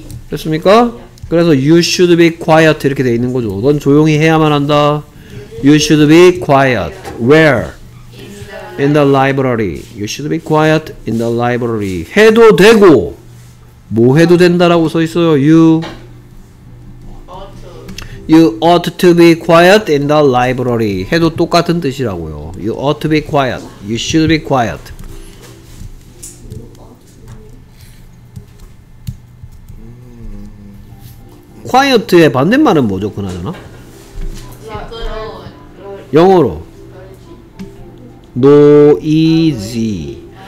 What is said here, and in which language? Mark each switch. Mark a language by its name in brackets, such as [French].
[Korean] 됐습니까? 그래서 [English] you should be quiet [Korean] 이렇게 되어 있는 거죠. 넌 조용히 해야만 한다. [English] You should be quiet. Where? In the library. You should be quiet in the library. [Korean] 해도 되고 뭐 해도 된다라고 써 있어요. [English] You ought to be quiet in the library. [Korean] 해도 똑같은 뜻이라고요. [English] You ought to be quiet. You should be quiet. [Korean] 'Quiet'의 반대말은 뭐죠? 그나저나? 영어로 noisy.